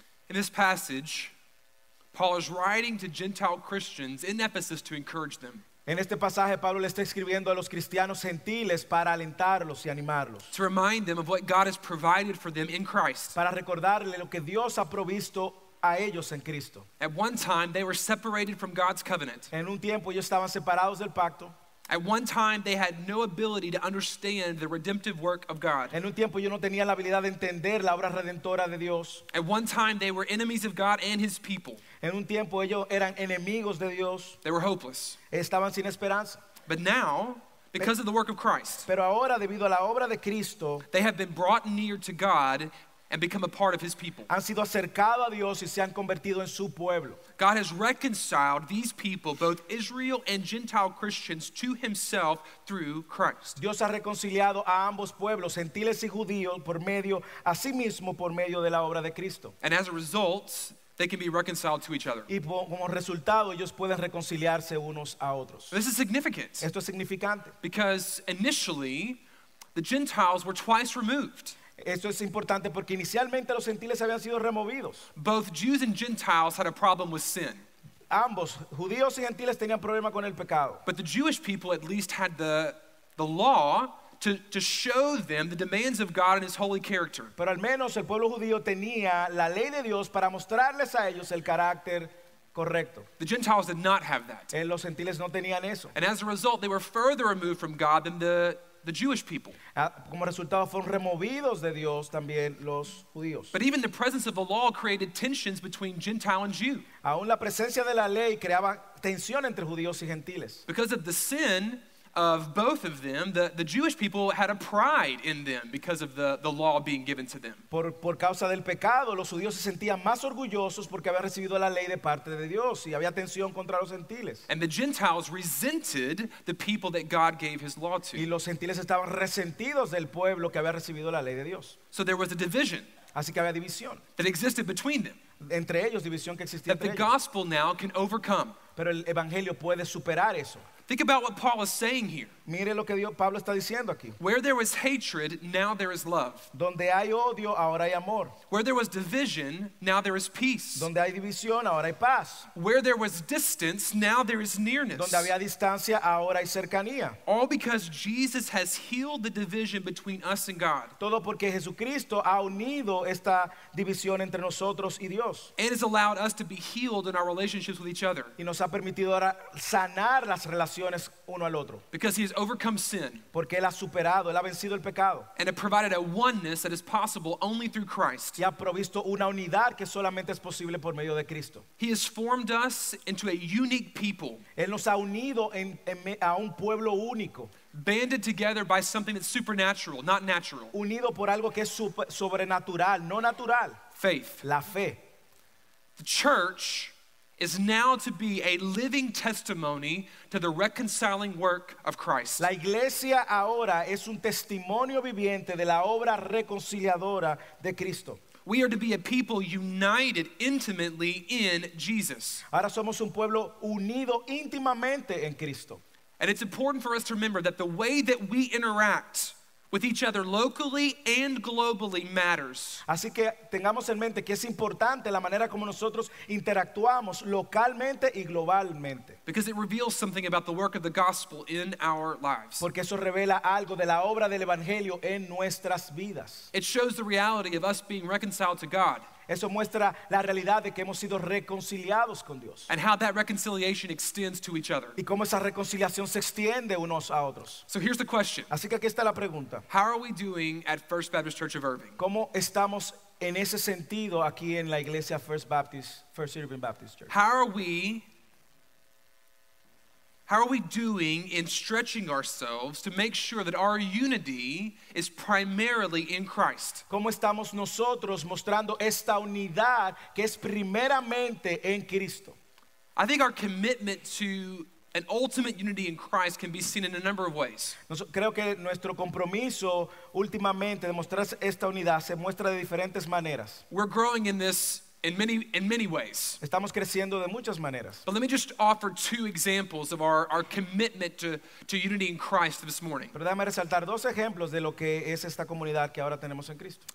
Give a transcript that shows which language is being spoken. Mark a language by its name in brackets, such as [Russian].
[English] In this passage, Paul is writing to Gentile Christians in Ephesus to encourage them. [Spanish] En este pasaje, Pablo le está escribiendo a los cristianos gentiles para alentarlos y animarlos. [English] To remind them of what God has provided for them in Christ. [Spanish] Para recordarle lo que Dios ha provisto a ellos en Cristo. [English] At one time, they were separated from God's covenant. [Spanish] En un tiempo, ellos estaban separados del pacto. [English] At one time, they had no ability to understand the redemptive work of God. [Spanish] En un tiempo, ellos no tenían la habilidad de entender la obra redentora de Dios. [English] At one time, they were enemies of God and His people. [Spanish] En un tiempo, ellos eran enemigos de Dios. [English] They were hopeless. [Spanish] Estaban sin esperanza. [English] But now, because of the work of Christ, [Spanish] pero ahora, debido a la obra de Cristo, [English] they have been brought near to God and become a part of His people. [Spanish] Han sido acercado a Dios y se han convertido en su pueblo. [English] God has reconciled these people, both Israel and Gentile Christians, to Himself through Christ. [Spanish] Dios ha reconciliado a ambos pueblos, gentiles y judíos, por medio a sí mismo, por medio de la obra de Cristo. [English] And as a result, they can be reconciled to each other. [Spanish] Y como resultado, ellos pueden reconciliarse unos a otros. [English] This is significant. [Spanish] Esto es significante. [English] Because initially, the Gentiles were twice removed. [Spanish] Esto es importante porque inicialmente los gentiles habían sido removidos. [English] Both Jews and Gentiles had a problem with sin. [Spanish] Ambos, judíos y gentiles, tenían problema con el pecado. [English] But the Jewish people at least had the law to show them the demands of God and His holy character. [Spanish] Pero al menos el pueblo judío tenía la ley de Dios para mostrarles a ellos el carácter correcto. [English] The Gentiles did not have that. [Spanish] Los gentiles no tenían eso. [English] And as a result, they were further removed from God than the Jewish people. [Spanish] Como resultado, fueron removidos de Dios también los judíos. [English] But even the presence of the law created tensions between Gentile and Jew. [Spanish] Aún la presencia de la ley creaba tensión entre judíos y gentiles. [English] Because of the sin of both of them, the Jewish people had a pride in them because of the law being given to them. [Spanish] Por causa del pecado, los judíos se sentían más orgullosos porque habían recibido la ley de parte de Dios y había tensión contra los gentiles. [English] And the Gentiles resented the people that God gave His law to. [Spanish] Y los gentiles estaban resentidos del pueblo que había recibido la ley de Dios. [English] So there was a division. [Spanish] Así que había división. [English] That existed between them. [Spanish] Entre ellos, división que existía entre ellos. [English] That the gospel now can overcome. [Spanish] Pero el evangelio puede superar eso. [English] Think about what Paul is saying here. [Spanish] Mire lo que Dios, Pablo está diciendo aquí. [English] Where there was hatred, now there is love. [Spanish] Donde hay odio, ahora hay amor. [English] Where there was division, now there is peace. [Spanish] Donde hay división, ahora hay paz. [English] Where there was distance, now there is nearness. [Spanish] Donde había distancia, ahora hay cercanía. [English] All because Jesus has healed the division between us and God. [Spanish] Todo porque Jesucristo ha unido esta división entre nosotros y Dios. [English] And has allowed us to be healed in our relationships with each other. [Spanish] Y nos ha permitido ahora sanar las relaciones uno al otro. [English] Because He has overcome sin. [Spanish] Porque él ha superado, él ha vencido el pecado. [English] And has provided a oneness that is possible only through Christ. [Spanish] Y ha provisto una unidad que solamente es posible por medio de Cristo. [English] He has formed us into a unique people. [Spanish] Él nos ha unido a un pueblo único. [English] Banded together by something that's supernatural, not natural. [Spanish] Unido por algo que es sobrenatural, no natural. [English] Faith. [Spanish] La fe. [English] The church is now to be a living testimony to the reconciling work of Christ. [Spanish] La iglesia ahora es un testimonio viviente de la obra reconciliadora de Cristo. [English] We are to be a people united intimately in Jesus. [Spanish] Ahora somos un pueblo unido íntimamente en Cristo. [English] And it's important for us to remember that the way that we interact with each other locally and globally matters. [Spanish] Así que tengamos en mente que es importante la manera como nosotros interactuamos localmente y globalmente. [English] Because it reveals something about the work of the gospel in our lives. [Spanish] Porque eso revela algo de la obra del evangelio en nuestras vidas. [English] It shows the reality of us being reconciled to God. [Spanish] Eso muestra la realidad de que hemos sido reconciliados con Dios. [English] And how that reconciliation extends to each other. [Spanish] Y cómo esa reconciliación se extiende unos a otros. [English] So here's the question. [Spanish] Así que aquí está la pregunta. [English] How are we doing at First Baptist Church of Irving? [Spanish] ¿Cómo estamos en ese sentido aquí en la iglesia First Irving Baptist Church? [English] How are we How are we doing in stretching ourselves to make sure that our unity is primarily in Christ? [Spanish] ¿Cómo estamos nosotros mostrando esta unidad que es primeramente en Cristo? [English] I think our commitment to an ultimate unity in Christ can be seen in a number of ways. [Spanish] Creo que nuestro compromiso últimamente de mostrar esta unidad se muestra de diferentes maneras. [English] We're growing in this in many ways. [Spanish] Estamos creciendo de muchas maneras. [English] But let me just offer two examples of our commitment to unity in Christ this morning. [Spanish] Pero déjame resaltar dos ejemplos de lo que es esta comunidad que ahora tenemos en Cristo.